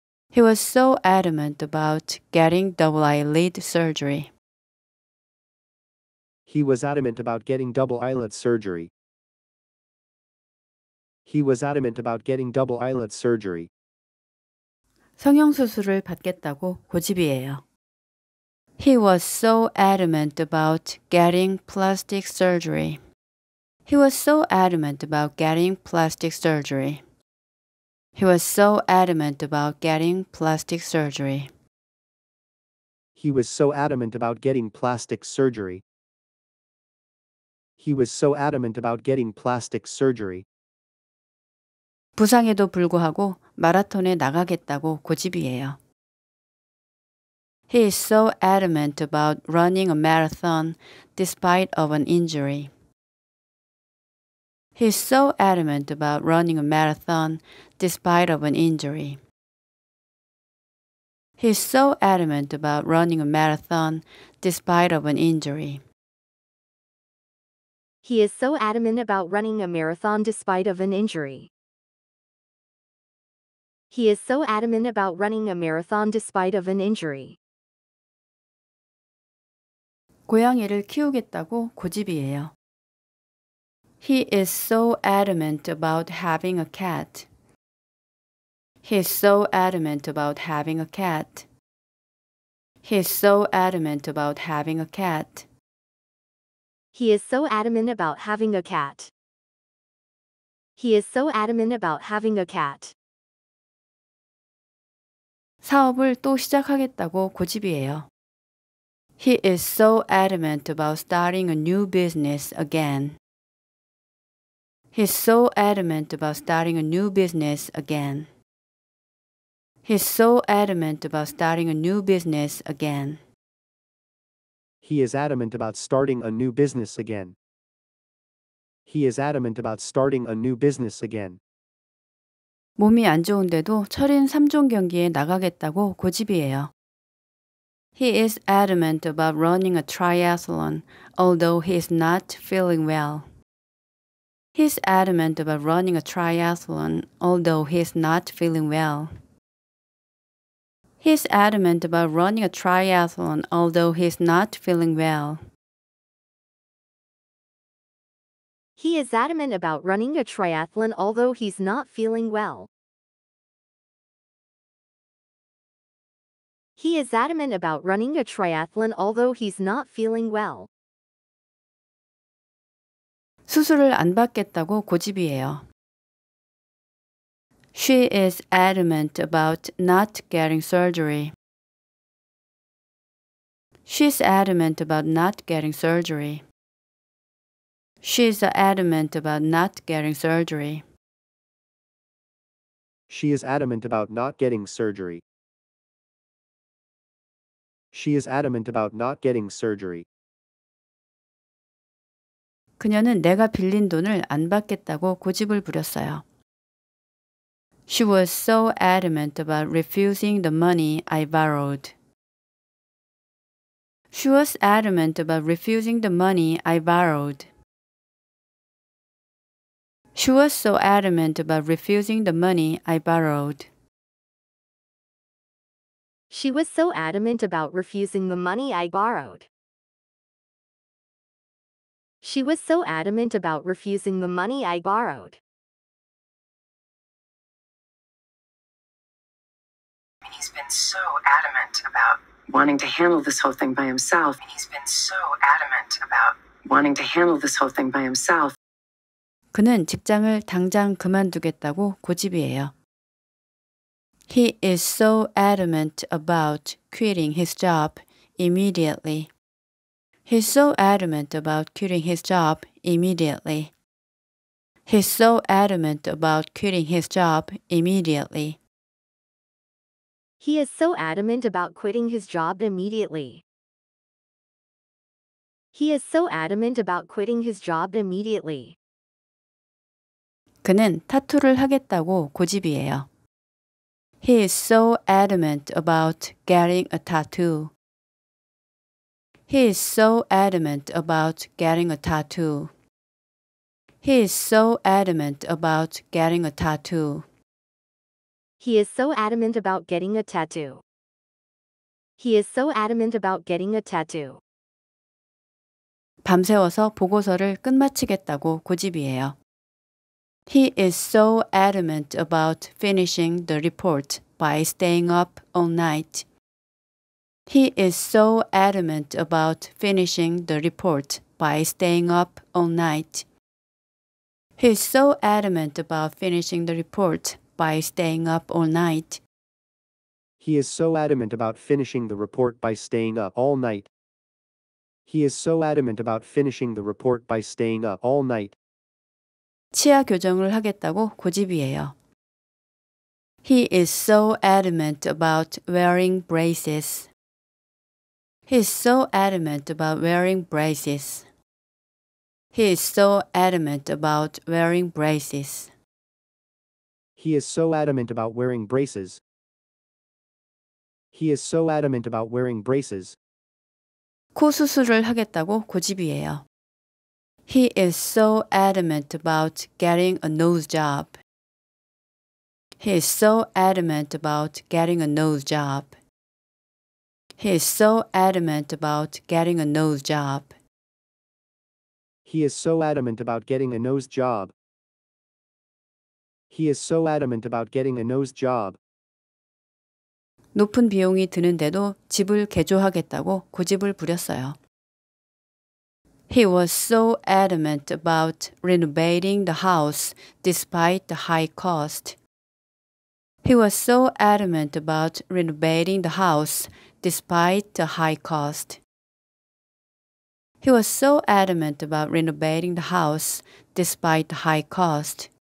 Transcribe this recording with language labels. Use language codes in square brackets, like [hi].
[en] He was so adamant about getting double eyelid surgery. He was adamant about getting double eyelid surgery. He was adamant about getting double eyelid surgery. [ko] 성형 수술을 받겠다고 고집이에요. [en] He was so adamant about getting plastic surgery. He was so adamant about getting plastic surgery. He was so adamant about getting plastic surgery. He was so adamant about getting plastic surgery. He was so adamant about getting plastic surgery. [ko] 부상에도 불구하고 마라톤에 나가겠다고 고집이에요. [en] He is so adamant about running a marathon despite of an injury. He is so adamant about running a marathon despite of an injury. He is so adamant about running a marathon despite of an injury. He is so adamant about running a marathon despite of an injury. He is so adamant about running a marathon despite of an injury. [ko] 고양이를 키우겠다고 고집이에요. [en] He is so adamant about having a cat. He is so adamant about having a cat. He is so adamant about having a cat. He is so adamant about having a cat. He is so adamant about having a cat. [ko] 사업을 또 시작하겠다고 고집이에요. [en] He is so adamant about starting a new business again. He is so adamant about starting a new business again. He is so adamant about starting a new business again. He is adamant about starting a new business again. He is adamant about starting a new business again. [ko] 몸이 안 좋은데도 철인 3종 경기에 나가겠다고 고집이에요. [en] He is adamant about running a triathlon, although he is not feeling well. He is adamant about running a triathlon, although he is not feeling well. He is adamant about running a triathlon, although he is not feeling well. He is adamant about running a triathlon, although he's not feeling well. He is adamant about running a triathlon although he's not feeling well. [ko] 수술을 안 받겠다고 고집이에요. [en] She is adamant about not getting surgery. She's adamant about not getting surgery. She's adamant about not getting surgery. She is adamant about not getting surgery. She is adamant about not getting surgery. [ko] 그녀는 내가 빌린 돈을 안 받겠다고 고집을 부렸어요. [en] She was so adamant about refusing the money I borrowed. She was adamant about refusing the money I borrowed. She was so adamant about refusing the money I borrowed. She was so adamant about refusing the money I borrowed. She was so adamant about refusing the money I borrowed. He's been so adamant about wanting to handle this whole thing by himself. He's been so adamant about wanting to handle this whole thing by himself. [ko] 그는 직장을 당장 그만두겠다고 고집이에요. [en] He is so adamant about quitting his job immediately. He's so adamant about quitting his job immediately. He's so adamant about quitting his job immediately. He is so adamant about quitting his job immediately. He is so adamant about quitting his job immediately. [ko] 그는 타투를 하겠다고 고집이에요. [en] He is so adamant about getting a tattoo. He is so adamant about getting a tattoo. He is so adamant about getting a tattoo. He is so adamant about getting a tattoo. He is so adamant about getting a tattoo. [ko] 밤새워서 보고서를 끝마치겠다고 고집이에요. [en] He is so adamant about finishing the report by staying up all night. He is so adamant about finishing the report by staying up all night. He is so adamant about finishing the report by staying up all night. He is so adamant about finishing the report by staying up all night. He is so adamant about finishing the report by staying up all night. [ko] 치아 교정을 하겠다고 고집이에요. [en] He is so adamant about wearing braces. He is so adamant about wearing braces. He is so adamant about wearing braces. He is so adamant about wearing braces. He is so adamant about wearing braces. [ko] 코 수술을 하겠다고 고집이에요. [en] He is so adamant about getting a nose job. He is so adamant about getting a nose job. He is so adamant about getting a nose job. He is so adamant about getting a nose job. He is so adamant about getting a nose job. [ko] 높은 비용이 드는데도 집을 개조하겠다고 고집을 부렸어요. [en] He was so adamant about renovating the house despite the high cost. He was so adamant about renovating the house despite the high cost. He was so adamant about renovating the house despite the high cost.